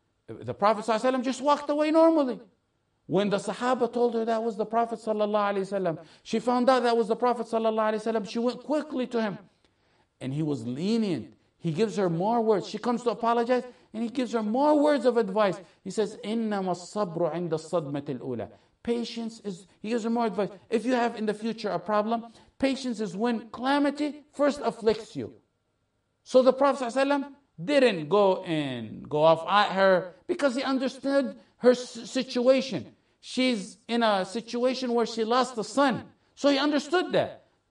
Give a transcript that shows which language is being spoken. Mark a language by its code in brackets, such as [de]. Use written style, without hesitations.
[en] The Prophet ﷺ just walked away normally. When the Sahaba told her that was the Prophet ﷺ, she found out that was the Prophet ﷺ, she went quickly to him. And he was lenient. He gives her more words. She comes to apologize, and he gives her more words of advice. He says, [ar] إِنَّمَا الصَّبْرُ عِنْدَ الصَّدْمَةِ الْأُولَى. [en] Patience is, he gives her more advice. If you have in the future a problem, patience is when calamity first afflicts you. So the Prophet ﷺ didn't go and go off at her because he understood her situation. She's in a situation where she lost a son. So he understood that.